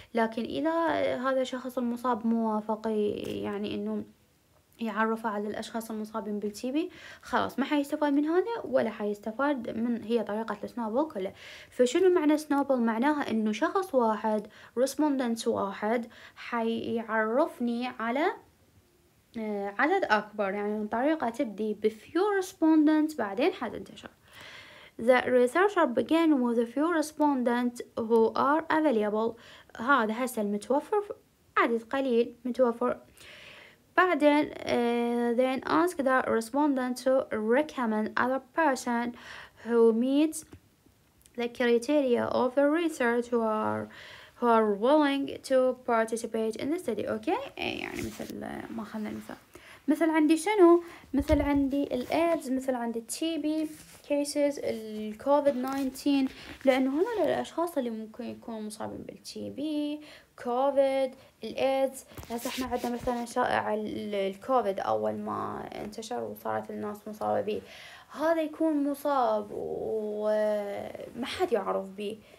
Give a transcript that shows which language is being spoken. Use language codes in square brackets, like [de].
[ar] لكن اذا هذا الشخص المصاب موافق يعني انه يعرف على الاشخاص المصابين بالتيبي خلاص ما حيستفاد من هذا ولا حيستفاد من هي طريقة السنابل كله. فشنو معنى سنابل؟ معناها انه شخص واحد ريسبوندنت واحد حيعرفني على عدد اكبر، يعني الطريقة تبدي بفيو ريسبوندنت بعدين حتنتشر. [en] The researcher began with a few respondents who are available. [ar] هذا هسه المتوفر عدد قليل متوفر. بعدين [en] then ask the respondent to recommend other person who meets the criteria of the research who are willing to participate in the study. Okay. [ar] يعني مثل ما خلنا مثل عندي شنو؟ مثل عندي الايدز، مثل عندي التيبي كيسز، الكوفيد 19، لانه هذول الاشخاص اللي ممكن يكونوا مصابين بالتيبي، كوفيد، الايدز. هسه احنا عندنا مثلا شائع الكوفيد اول ما انتشر وصارت الناس مصابه به، هذا يكون مصاب وما حد يعرف به.